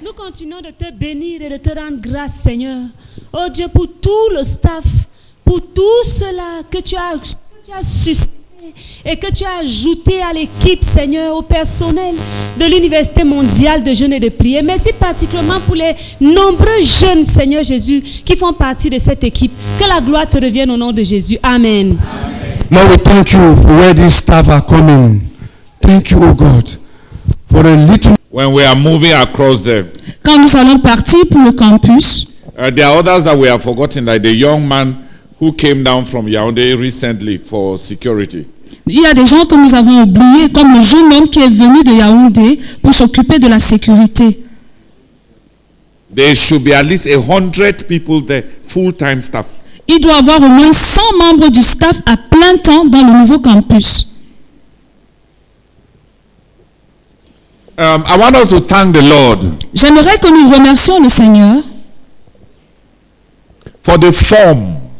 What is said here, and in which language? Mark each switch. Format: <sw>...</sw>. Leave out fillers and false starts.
<fr>Nous continuons de te bénir et de te rendre grâce, Seigneur. Oh Dieu, pour tout le staff, pour tout cela que tu as suscité et que tu as ajouté à l'équipe, Seigneur, au personnel de l'Université mondiale de jeûne et de prière. Merci particulièrement pour les nombreux jeunes, Seigneur Jésus, qui font partie de cette équipe. Que la gloire te revienne au nom de Jésus. Amen. Amen.</fr> <en>Lord, we thank you for where this staff are coming. Thank you, oh God, for a little... When we are moving across there.</en> <fr>Quand nous allons partir pour le campus.</fr> <en>There are others that we have forgotten, like the young man who came down from Yaoundé recently for security.</en> <fr>Il y a des gens que nous avons oubliés, comme le jeune homme qui est venu de Yaoundé pour s'occuper de la sécurité.</fr> <en>There should be at least 100 people there, full-time staff.</en> <fr>Il doit avoir au moins 100 membres du staff à plein temps dans le nouveau campus.</fr> <en>I want to thank the Lord.</en> <fr>J'aimerais que nous remercions le Seigneur</fr> <en>for the form.</en>